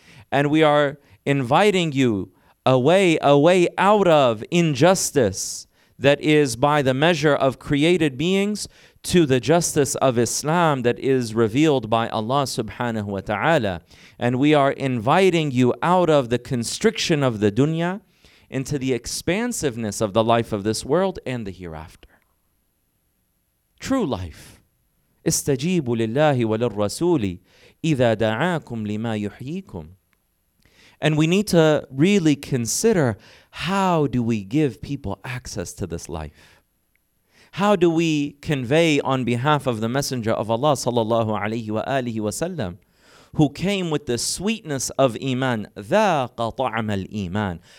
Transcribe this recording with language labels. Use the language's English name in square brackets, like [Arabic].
[English] And we are inviting you a way out of injustice that is by the measure of created beings to the justice of Islam that is revealed by Allah subhanahu wa ta'ala. And we are inviting you out of the constriction of the dunya into the expansiveness of the life of this world and the hereafter. True life. [Arabic] استجيبوا لله وللرسول إذا دعاكم لما يحييكم. [English] And we need to really consider, how do we give people access to this life? How do we convey on behalf of the Messenger of Allah sallallahu alayhi wa alihi wa sallam, who came with the sweetness of iman, [Arabic] ذَاقَ طَعْمَ الْإِيمَانِ.